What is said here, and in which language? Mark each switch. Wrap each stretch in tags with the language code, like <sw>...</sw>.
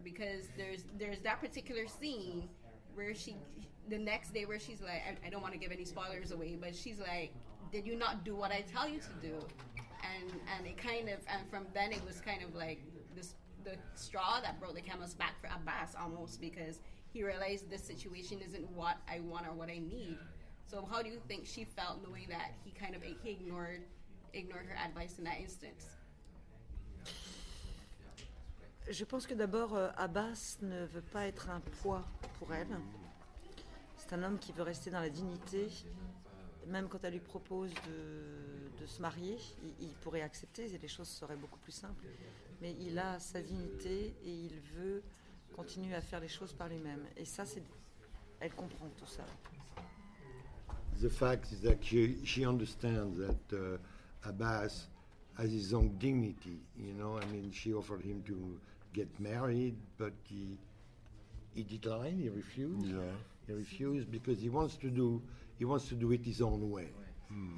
<en>Because there's that particular scene where she, the next day, where she's like, I don't want to give any spoilers away, but she's like, did you not do what I tell you to do? And it kind of, and from then it was kind of like, the straw that broke the camel's back for Abbas, almost, because he realized this situation isn't what I want or what I need. So how do you think she felt knowing that he kind of ignored her advice in that instance?</en> <fr>Je pense que d'abord, Abbas ne veut pas être un poids pour elle. C'est un homme qui veut rester dans la dignité. Même quand elle lui propose de se marier, il pourrait accepter, les choses seraient beaucoup plus simples. Mais il a sa dignité et il veut continuer à faire les choses par lui-même. Et ça, elle comprend tout ça.</fr> <en>The fact is that she understands that Abbas has his own dignity. You know, I mean, she offered him to get married, but he declined, he refused. Yeah. He refused because he wants to do it his own way. Mm.</en>